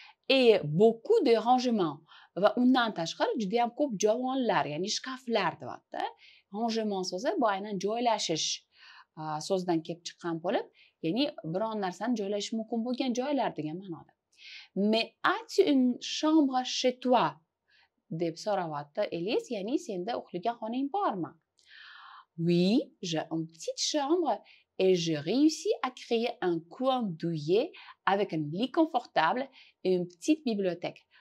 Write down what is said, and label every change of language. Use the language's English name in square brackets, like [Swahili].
[French] Et beaucoup de rangements. [Uzbek] Va undan tashqari juda ham ko'p javonlar, ya'ni shkaflar deyapti. Rangement so'zi bu aynan joylashish so'zidan kelib chiqqan bo'lib, ya'ni biron narsani joylash mumkin bo'lgan joylar degan ma'noda. [French] Mais as-tu une chambre chez toi? [Uzbek] Deb so'rayapti Elise, ya'ni senda uxlagan xonang bormi? [French] Oui, j'ai une petite chambre. Et je réussis à créer un coin douillet avec un lit confortable et une petite bibliothèque.